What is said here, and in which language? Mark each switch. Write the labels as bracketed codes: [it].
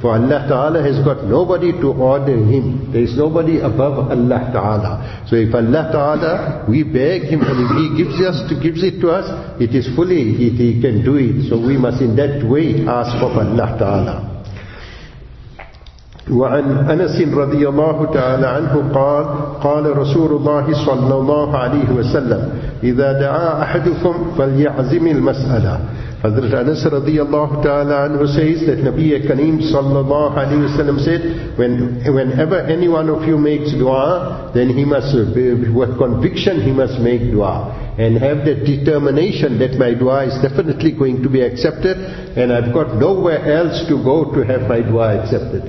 [en] For Allah Ta'ala has got nobody to order him. There is nobody above Allah Ta'ala. So if Allah Ta'ala, we beg him and if he gives it to us, it is fully, he can do it. So we must in that way ask of Allah Ta'ala. [ar] وعن أنس رضي الله تعالى عنه قال قال رسول الله صلى الله عليه وسلم إذا دعا أحدكم فليعزم المسألة. [en] Hazrat Anas [ar] رضي الله تعالى عنه [en] says that [ar] نبي كريم صلى الله عليه وسلم [en] said whenever any one of you makes dua, then he must, with conviction he must make dua and have the determination that my dua is definitely going to be accepted, and I've got nowhere else to go to have my dua accepted.